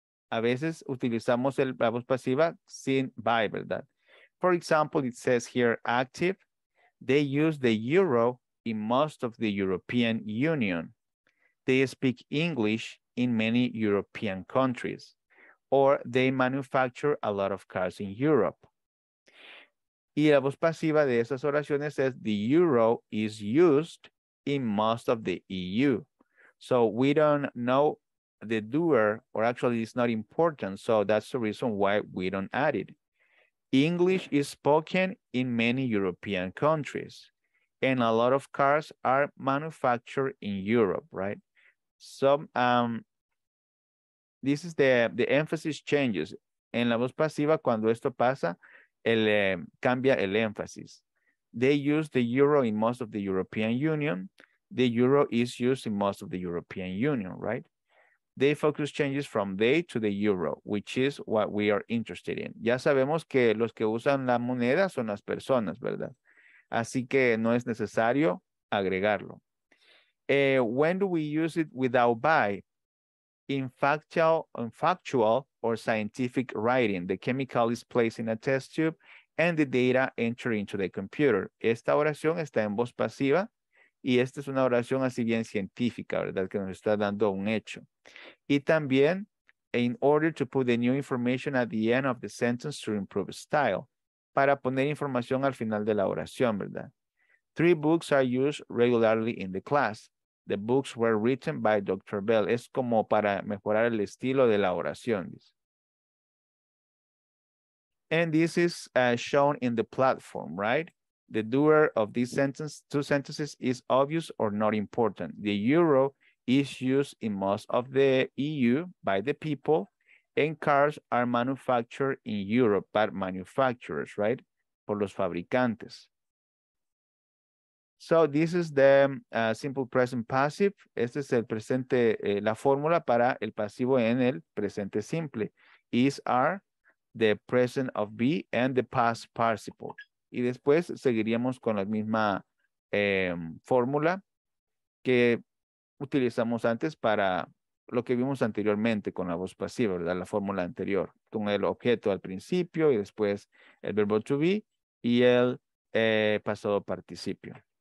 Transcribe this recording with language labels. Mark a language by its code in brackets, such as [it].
[es] A veces utilizamos la voz pasiva sin by, ¿verdad? [en] For example, it says here, active. They use the euro in most of the European Union. They speak English in many European countries. Or they manufacture a lot of cars in Europe. [es] Y la voz pasiva de esas oraciones es [en] the euro is used in most of the EU. So we don't know the doer, or actually it's not important. So that's the reason why we don't add it. English is spoken in many European countries. And a lot of cars are manufactured in Europe, right? So this is the emphasis changes. [es] En la voz pasiva, cuando esto pasa, cambia el énfasis. [en] They use the euro in most of the European Union. The euro is used in most of the European Union, right? They focus changes from they to the euro, which is what we are interested in. [es] Ya sabemos que los que usan la moneda son las personas, ¿verdad? Así que no es necesario agregarlo. [en] When do we use it without by? In factual or scientific writing, the chemical is placed in a test tube and the data enter into the computer. [es] Esta oración está en voz pasiva y esta es una oración así bien científica, ¿verdad? Que nos está dando un hecho. Y también, [en] in order to put the new information at the end of the sentence to improve style, [es] para poner información al final de la oración, ¿verdad? [en] Three books are used regularly in the class. The books were written by Dr. Bell. [es] Es como para mejorar el estilo de la oración. [en] And this is shown in the platform, right? The doer of this sentence, two sentences, is obvious or not important. The euro is used in most of the EU by the people, and cars are manufactured in Europe by manufacturers, right? [es] Por los fabricantes. [en] So this is the simple present passive. [es] Este es el presente, la fórmula para el pasivo en el presente simple. [en] Is, are, the present of be, and the past participle. [es] Y después seguiríamos con la misma fórmula que utilizamos antes para lo que vimos anteriormente con la voz pasiva, ¿verdad? La fórmula anterior, con el objeto al principio y después el verbo to be y el pasado participio.